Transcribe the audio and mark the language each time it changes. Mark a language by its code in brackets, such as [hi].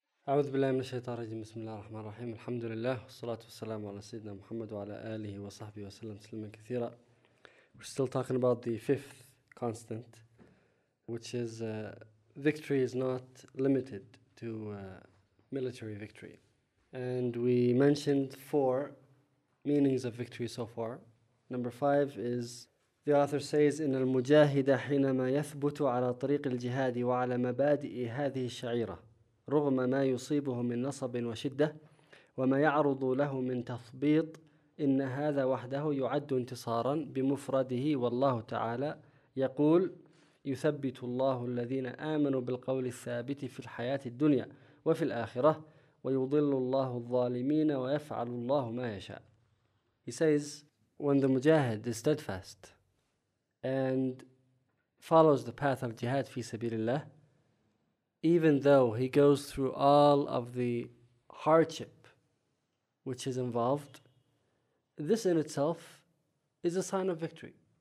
[ar] أعوذ بالله من الشيطان الرجيم. بسم الله الرحمن الرحيم. الحمد لله والصلاة والسلام على سيدنا محمد وعلى آله وصحبه وسلم تسليما كثيرا. [en] We're still talking about the fifth constant, which is victory is not limited to military victory. And we mentioned four meanings of victory so far. Number five is, the author says, [ar] إن المجاهد حينما يثبت على طريق الجهاد وعلى مبادئ هذه الشعيرة رغم ما يصيبه من نصب وشدة وما يعرض له من تثبيط إن هذا وحده يعد انتصارا بمفرده. والله تعالى يقول يثبت الله الذين آمنوا بالقول الثابت في الحياة الدنيا وفي الآخرة ويضل الله الظالمين ويفعل الله ما يشاء. [en] He says, when the mujahid is steadfast and follows the path of jihad [ar] في سبيل الله, [en] even though he goes through all of the hardship which is involved, this in itself is a sign of victory.